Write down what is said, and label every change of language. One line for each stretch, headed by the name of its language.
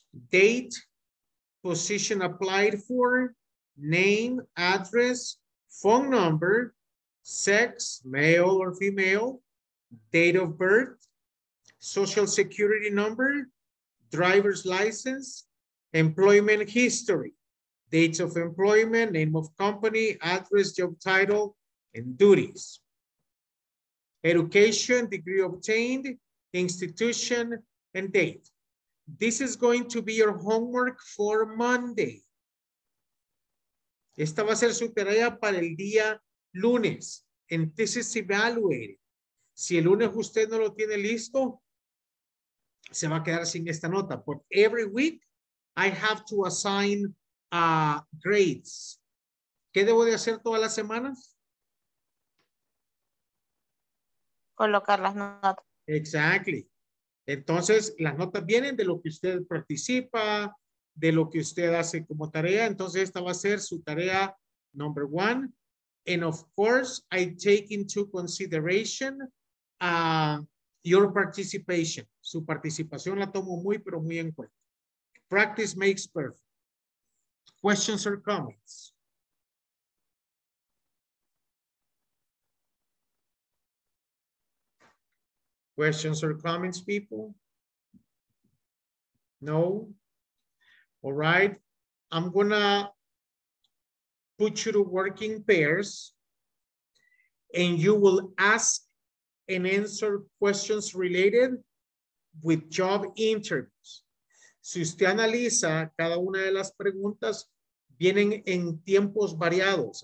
English: Date, position applied for, name, address, phone number, sex, male or female, date of birth, social security number, driver's license, employment history, dates of employment, name of company, address, job title, and duties. education, degree obtained, institution, and date. This is going to be your homework for Monday.
Spanish: Esta va a ser su tarea para el día lunes.
English: And this is evaluated.
Spanish: Si el lunes usted no lo tiene listo, se va a quedar sin esta nota.
English: But every week, I have to assign grades.
Spanish: ¿Qué debo de hacer todas las semanas? Colocar las notas.
English: Exactly.
Spanish: Entonces, las notas vienen de lo que usted participa, de lo que usted hace como tarea. Entonces, esta va a ser su tarea
English: number one. And of course, I take into consideration your participation.
Spanish: Su participación la tomo muy, pero muy en cuenta.
English: Practice makes perfect. Questions or comments? Questions or comments, people? No? All right. I'm gonna put you to work in pairs and you will ask and answer questions related with job interviews.
Spanish: Si usted analiza cada una de las preguntas, vienen en tiempos variados.